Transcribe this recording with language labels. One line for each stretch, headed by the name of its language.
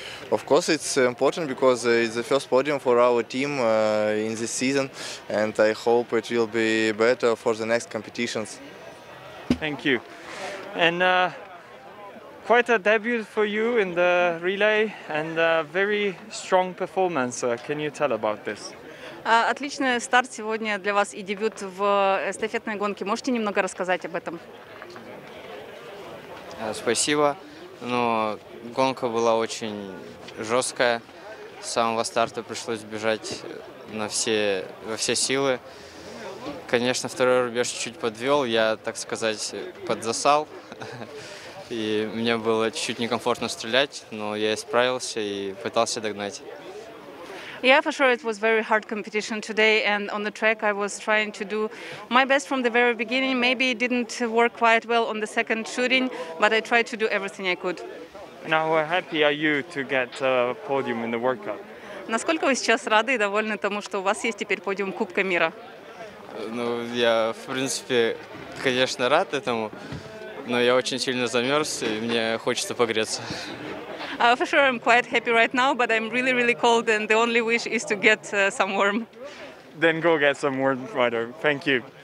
English: Of course, it's important because it's the first podium for our team in this season, and I hope it will be better for the next competitions. Thank you. And quite a debut for you in the relay and a very strong performance. Can you tell about this?
Russian: Отличный старт сегодня для вас и дебют в эстафетной гонке. Можете немного рассказать об этом? Спасибо. Но гонка была очень жесткая. С самого старта пришлось бежать во все силы. Конечно, второй рубеж чуть-чуть подвел. Я, так сказать, подзасал. И мне было чуть-чуть некомфортно стрелять, но я исправился и пытался догнать.
English: Yeah, for sure, it was very hard competition today, and on the track I was trying to do my best from the very beginning. Maybe it didn't work quite well on the second shooting, but I tried to do everything I could. Now, how happy are you to get a podium in the World Cup?
Russian: Насколько вы сейчас рады и довольны тому, что у вас есть теперь подиум Кубка мира? Ну, я, в принципе, конечно, рад этому, но я очень сильно замерз, и мне хочется погреться.
English: For sure, I'm quite happy right now, but I'm really, really cold, and the only wish is to get some warm. Then go get some warm, Ryder. Thank you.